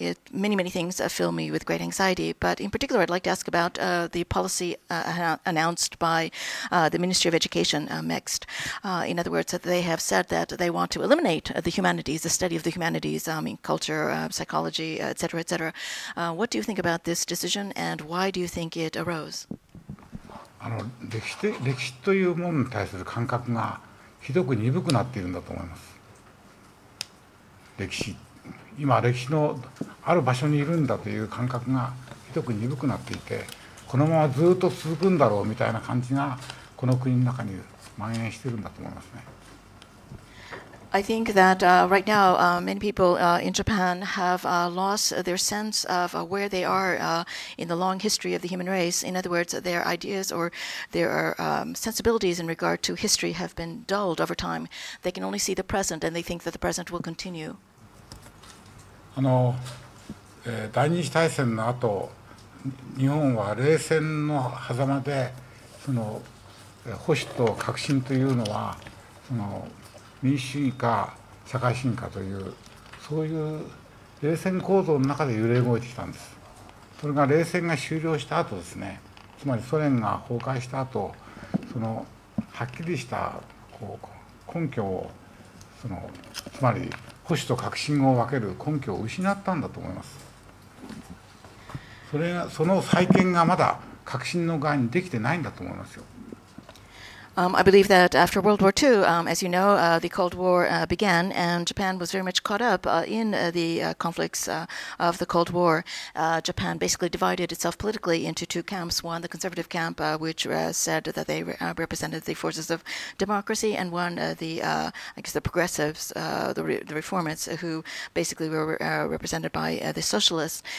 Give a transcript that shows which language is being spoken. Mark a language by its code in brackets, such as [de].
[en] Many things fill me with great anxiety. But in particular, I'd like to ask about the policy announced by the Ministry of Education, MEXT. In other words, that they have said that they want to eliminate the humanities, the study of the humanities, culture, psychology, et cetera, et cetera. What do you think about this decision, and why do you think it arose? [ja] 歴史というものに対する感覚がひどく鈍くなっているんだと思います。歴史。今歴史のある場所にいるんだという感覚がひどく鈍くなっていて、このままずっと続くんだろうみたいな感じがこの国の中に蔓延しているんだと思いますね。 [en] I think that right now many people in Japan have lost their sense of where they are in the long history of the human race. In other words, their ideas or their sensibilities in regard to history have been dulled over time. They can only see the present, and they think that the present will continue. [ja] 第二次大戦の後、日本は冷戦の狭間で、その保守と革新というのは、その民主主義か社会主義かという、そういう冷戦構造の中で揺れ動いてきたんです。それが冷戦が終了した後ですね、つまりソ連が崩壊した後、そのはっきりしたこう根拠を、そのつまり、保守と革新を分ける根拠を失ったんだと思います。それが、その再建がまだ革新の側にできてないんだと思いますよ。 [en] I believe that after World War II, as you know, the Cold War began, and Japan was very much caught up in the conflicts of the Cold War. Japan basically divided itself politically into two camps, one the conservative camp, which said that they represented the forces of democracy, and one the progressives, the reformists, who basically were represented by the socialists.